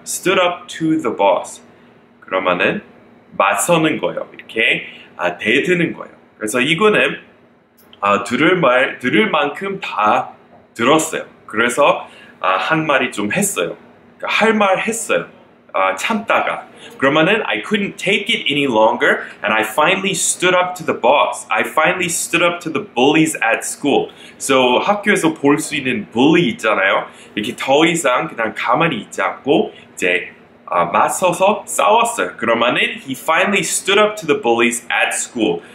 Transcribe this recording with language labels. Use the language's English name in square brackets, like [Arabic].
[English] Stood up to the boss. [Korean] 그러면은 맞서는 거예요. 이렇게 대드는 거예요. 그래서 이거는 들을 만큼 다 들었어요. 그래서 한 말이 좀 했어요. 그러니까 할 말 했어요. 참다가. 그러면은 [English] I couldn't take it any longer and I finally stood up to the boss. I finally stood up to the bullies at school. [Korean] So 학교에서 볼 수 있는 bully 있잖아요. 이렇게 더 이상 그냥 가만히 있지 않고 이제 맞서서 싸웠어요. 그러면은 [English] he finally stood up to the bullies at school.